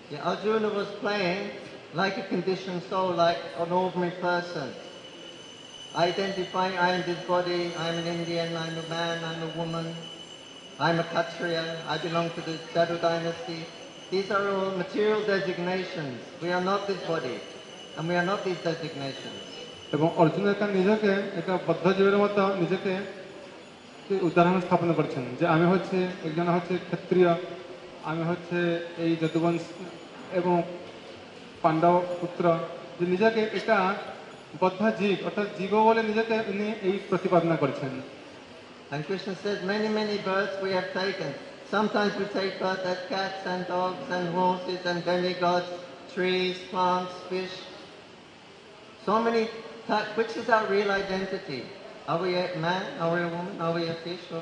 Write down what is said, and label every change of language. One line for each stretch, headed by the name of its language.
English: Arjuna was playing like a conditioned soul, like an ordinary person. Identifying, I am this body, I am an Indian, I am a man, I am a woman, I am a Kshatriya, I belong to the Chalukya dynasty. These are all material designations. We are not this body, and we are not these designations.
Bangla: এবং অর্জুন এখন নিজেকে একটা বদ্ধ জীবের মতো নিজেকে উদাহরণ স্থাপন করছেন যে আমি হচ্ছে একজন হচ্ছে ক্ষত্রিয় আমি হচ্ছে এই যদুবংশ এবং পাণ্ডব পুত্র যে নিজেকে একটা বদ্ধ জীব অর্থাৎ জীব বলে নিজেকে উনি এই প্রতিপাদনা করছেন
English: And Krishna says, many, many births we have taken. Sometimes we take birth as cats and dogs and horses and demigods, trees, plants, fish. So many, which is our real identity? Are we a man? Are we a woman? Are we a fish?